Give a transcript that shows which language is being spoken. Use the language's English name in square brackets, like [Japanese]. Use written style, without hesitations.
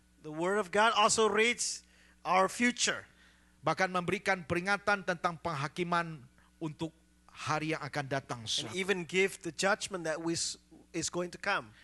[English] The word of God also reads our future. [Indonesian] Bahkan memberikan peringatan tentang penghakiman untuk hari yang akan datang. [English] And even give the judgment that is going to come.